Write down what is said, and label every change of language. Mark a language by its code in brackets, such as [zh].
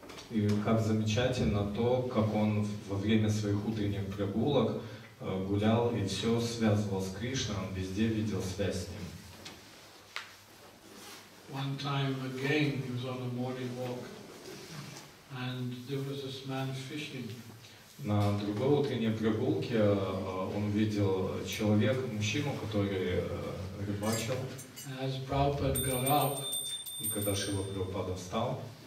[ru] И как замечательно то, как он во время своих утренних прогулок гулял и все связывал с Кришной, он везде видел связь с ним. [en] One time again he was on a morning walk and there was this man fishing. [ru] На другой утренней прогулке он видел человека, мужчину, который рыбачил. [en] As Prabhupada got up, [ru] и когда Шрила Прабхупада встал,